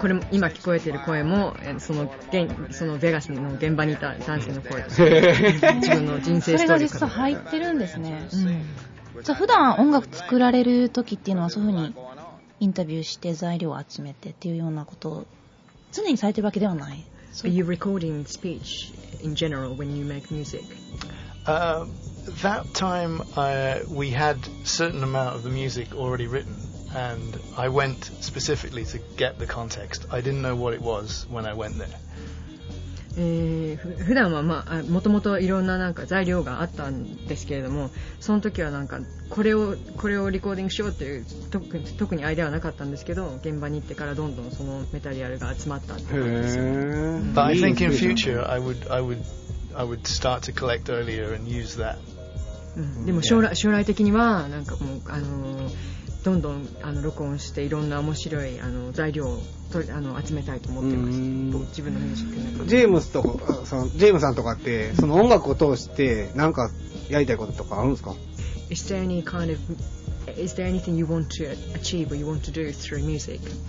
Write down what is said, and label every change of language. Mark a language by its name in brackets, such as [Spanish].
[Japanese] これも今聞こえている声もそのベガスの現場にいた男性の声です。自分の人生ストーリーから。それが実際入ってるんですね。じゃあ普段音楽作られる時っていうのはそういうふうにインタビューして材料を集めてっていうようなことを常にされてるわけではない。 [English] Are you recording speech in general when you make music? That time we had certain amount of the music already written and I went specifically to get the context. I didn't know what it was when I went there. [Japanese] 普段はまあもともといろんななんか材料があったんですけれどもその時はなんかこれをリコーディングしようっていう特にアイデアはなかったんですけど現場に行ってからどんどんそのメタリアルが集まったって感じですよ。 [English] But I think in future I would start to collect earlier and use that. [Japanese] でも将来的にはなんかもうどんどん録音していろんな面白い材料を集めたいと思ってます。自分のミュージックの。ジェームさんとかってその音楽を通してなんかやりたいこととかあるんですか [English] ？Is there any kind of is there anything you want to achieve or you want to do through music?